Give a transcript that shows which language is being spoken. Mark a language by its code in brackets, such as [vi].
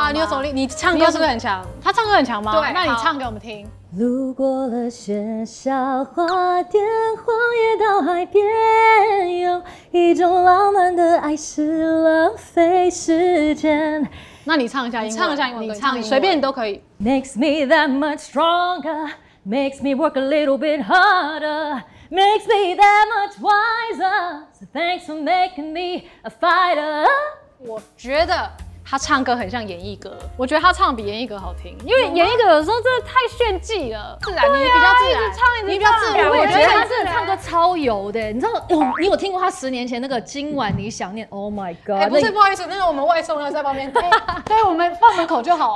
[zh] 对啊，你有什么力？你唱歌是不是很强？他唱歌很强吗？对，那你唱给我们听。路过了雪山花店，荒野到海边，有一种浪漫的爱是浪费时间。那你唱一下英文，唱一下英文，你唱英文，随便你都可以。 [en] Makes me that much stronger. Makes me work a little bit harder. Makes me that much wiser. So thanks for making me a fighter. [zh] 我觉得他唱歌很像演艺歌，我觉得他唱得比演艺歌好听，因为演艺歌有时候真的太炫技了，自然，你比较自然，一直唱，你比较自然。我觉得他真的唱歌超油的，你知道，你有听过他十年前那个《今晚你想念》？ [en] Oh my god！ [zh] 不是，不好意思，那个我们外送要在旁边，对，我们放门口就好。